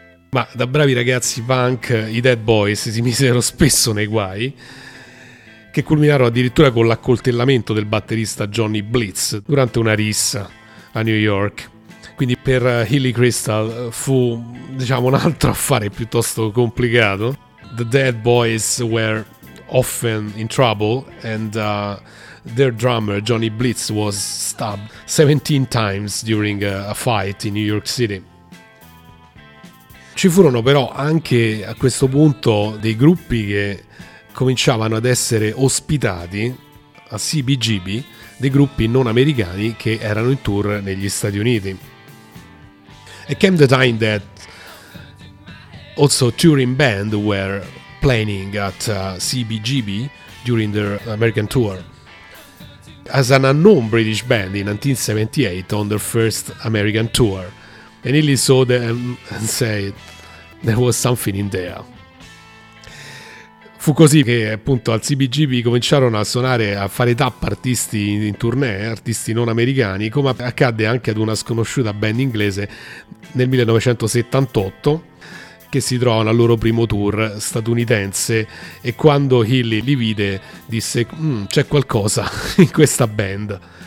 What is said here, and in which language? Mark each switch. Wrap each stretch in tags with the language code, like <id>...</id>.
<it>Ma da bravi ragazzi punk, i Dead Boys si misero spesso nei guai, che culminarono addirittura con l'accoltellamento del batterista Johnny Blitz durante una rissa a New York. Quindi per Hilly Crystal fu, diciamo, un altro affare piuttosto complicato.</it> <en>The Dead Boys were often in trouble, and their drummer Johnny Blitz was stabbed 17 times during a fight in New York City.</en> <it>Ci furono però anche a questo punto dei gruppi che cominciavano ad essere ospitati a CBGB, dei gruppi non americani che erano in tour negli Stati Uniti.</it> <en>It came the time that also touring band were playing at CBGB during their American tour as an unknown British band in 1978 on their first American tour, and Hilly saw them and said there was something in there.</en> <it>Fu così che appunto al CBGB cominciarono a suonare, a fare tappa artisti in tournée, artisti non americani, come accadde anche ad una sconosciuta band inglese nel 1978, che si trovano al loro primo tour statunitense, e quando Hilly li vide disse: c'è qualcosa in questa band.</it>